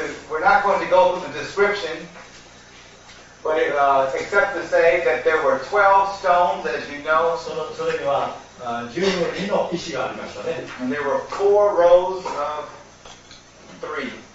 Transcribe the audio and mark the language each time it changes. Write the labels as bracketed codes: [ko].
[en] we're not going to go through the descriptionBut except to say that there were 12 stones, as you know. [ja] それには12の石がありましたね。 [en] And there were four rows of three.